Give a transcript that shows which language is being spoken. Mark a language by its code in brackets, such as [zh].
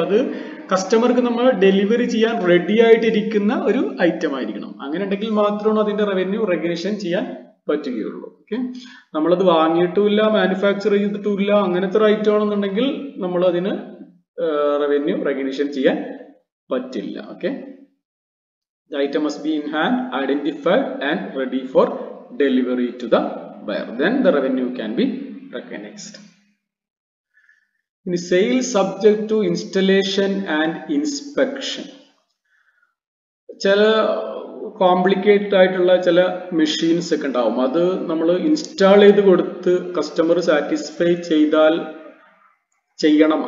[ml] അത് കസ്റ്റമർക്ക് നമ്മൾ ഡെലിവറി ചെയ്യാൻ റെഡി ആയിട്ടിരിക്കുന്ന ഒരു ഐറ്റം ആയിരിക്കണം. അങ്ങനെ ഉണ്ടെങ്കിൽ മാത്രമാണ് അതിന്റെ റവന്യൂ റെക്കഗ്നിഷൻ ചെയ്യാൻ പറ്റുകയുള്ളൂ. ഓക്കെ, നമ്മളത് വാങ്ങിയിട്ടുമില്ല, മാനുഫാക്ചർ ചെയ്തിട്ടില്ല, അങ്ങനത്തെ ഒരു ഐറ്റം ആണെന്നുണ്ടെങ്കിൽ നമ്മൾ അതിന് റവന്യൂ റെക്കഗ്നിഷൻ ചെയ്യാൻ പറ്റില്ല. [en] Okay, the item must be in hand, identified and ready for delivery to the buyer, then the revenue can be recognized. In sale subject to installation and inspection, [ml] chala complicated ആയിട്ടുള്ള ചില machines ഒക്കെ ഉണ്ടാവും, അത് നമ്മൾ install ചെയ്ത് കൊടുത്ത് customer satisfy ചെയ്താൽ ചെയ്യണം.